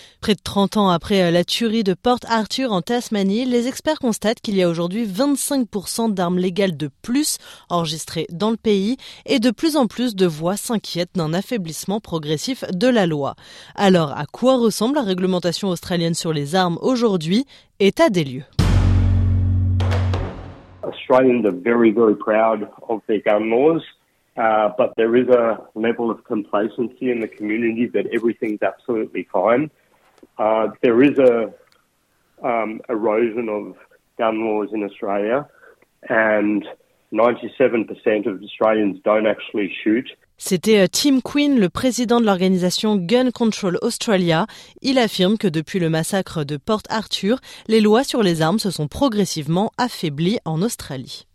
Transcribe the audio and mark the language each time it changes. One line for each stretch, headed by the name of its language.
French: Près de 30 ans après la tuerie de Port Arthur en Tasmanie, les experts constatent qu'il y a aujourd'hui 25% d'armes légales de plus enregistrées dans le pays et de plus en plus de voix s'inquiètent d'un affaiblissement progressif de la loi. Alors, à quoi ressemble la réglementation australienne sur les armes aujourd'hui ? État des lieux.
English: Australians are very, very proud of their gun laws, but there is a level of complacency in the community that everything's absolutely fine. There is a erosion of gun laws in Australia, and 97% of Australians don't actually shoot.
French: C'était Tim Quinn, le président de l'organisation Gun Control Australia. Il affirme que depuis le massacre de Port Arthur, les lois sur les armes se sont progressivement affaiblies en Australie.